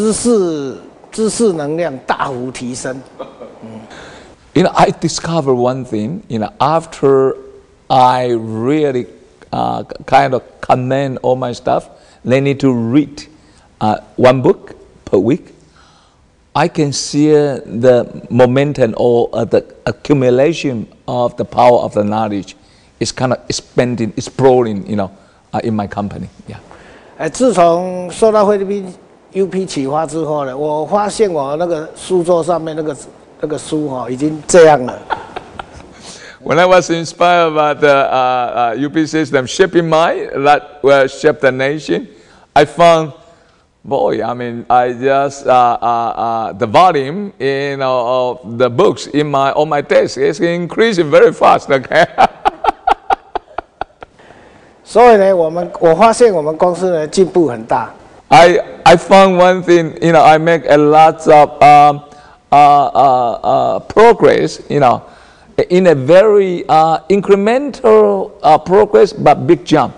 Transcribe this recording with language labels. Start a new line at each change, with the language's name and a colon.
Chinese: 自从我每个礼拜要求他们念一本书呢，之后呢，我发现我们公司的这个整个那个知识能量大幅提升。
English: You know, I discovered one thing. You know, after I really kind of commend all my staff, they need to read one book per week. I can see the momentum or the accumulation of the power of the knowledge is kind of expanding, exploring, you know, in my company. Yeah.
Chinese: 自从受到菲律宾 UP 启发之后呢，我发现我那个书桌上面那个书哈已经这样了。
English: When I was inspired by the UP system, shaping mind that will shape the nation, I found. Boy, I mean, I just the volume, you know, of the books in my on my desk is increasing very fast. Okay.
Chinese: 所以呢，我发现我们公司呢进步很大.
English: I found one thing, you know, I make a lot of progress, you know, in a very incremental progress, but big jump.